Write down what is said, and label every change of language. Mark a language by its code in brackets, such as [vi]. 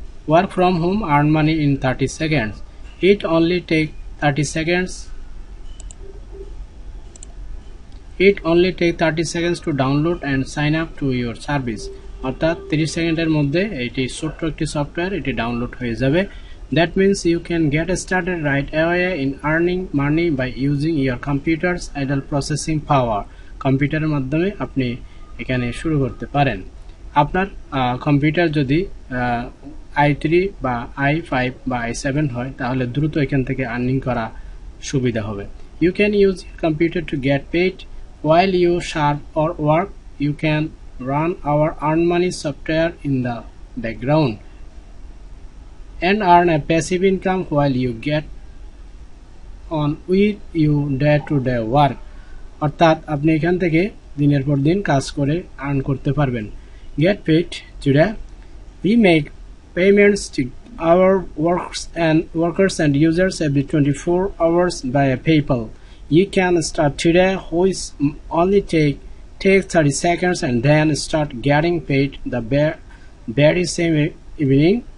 [en] work from home earn money in 30 seconds, it only take 30 seconds, it only take 30 seconds to download and sign up to your service, [bn] অর্থাৎ 30 সেকেন্ডের মধ্যে এটি ছোট্ট একটি software এটি download হয়ে যাবে। [en] That means you can get started right away in earning money by using your computer's idle processing power. [bn] কম্পিউটারের মাধ্যমে আপনি এখানে শুরু করতে পারেন। আপনার কম্পিউটার যদি i3 বা i5 বা i7 হয় তাহলে দ্রুত এখান থেকে আর্নিং করা সুবিধা হবে। [en] You can use your computer to get paid while you serve or work. You can run our earn money software in the background and earn a passive income while you get on with your day-to-day work. [bn] অর্থাৎ আপনি এখান থেকে দিনের পর দিন কাজ করে earn করতে পারবেন। [en] Get paid today, we make payments to our workers and users every 24 hours by PayPal. You can start today which only take 30 seconds and then start getting paid the very same evening.